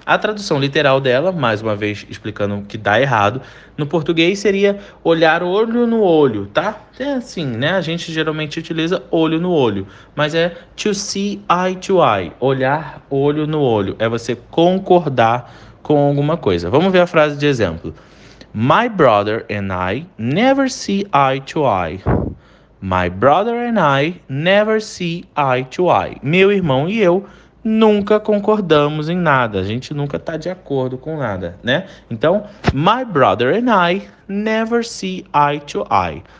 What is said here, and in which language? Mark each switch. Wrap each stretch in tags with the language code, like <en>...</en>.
<pt>A tradução literal dela, mais uma vez explicando que dá errado, no português seria olhar olho no olho, tá? É assim, né? A gente geralmente utiliza olho no olho, mas é</pt> <en>to see eye to eye,</en> <pt>olhar olho no olho, é você concordar com alguma coisa. Vamos ver a frase de exemplo.</pt> <en>My brother and I never see eye to eye. My brother and I never see eye to eye.</en> <pt>Meu irmão e eu nunca concordamos em nada. A gente nunca está de acordo com nada, né? Então,</pt> <en>my brother and I never see eye to eye.</en>